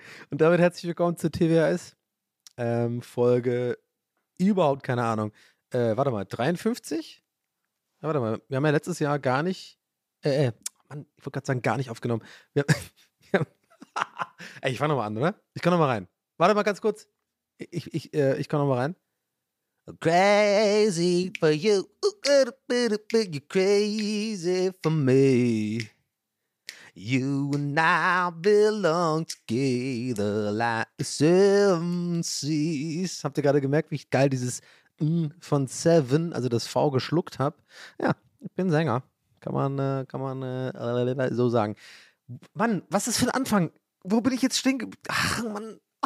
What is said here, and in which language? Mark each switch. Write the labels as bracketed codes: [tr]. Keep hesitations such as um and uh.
[de] Und damit herzlich willkommen zu TWS. Ähm, Folge überhaupt keine Ahnung. Äh, warte mal, 53? Ja, warte mal, wir haben ja letztes Jahr gar nicht, äh, äh Mann, ich wollte gerade sagen, gar nicht aufgenommen. Wir, wir haben, Ey, ich fange nochmal an, oder? Ich komme nochmal rein. Warte mal ganz kurz. Ich, ich, äh, ich komme nochmal rein. [en] Crazy for you, you crazy for me. You and I belong together like seven seas. [de] Habt ihr gerade gemerkt, wie ich geil dieses N von Seven, also das V geschluckt habe? Ja, ich bin Sänger. Kann man, äh, kann man äh, so sagen. Mann, was ist für ein Anfang? Wo bin ich jetzt stehen geblieben? Ach, Mann.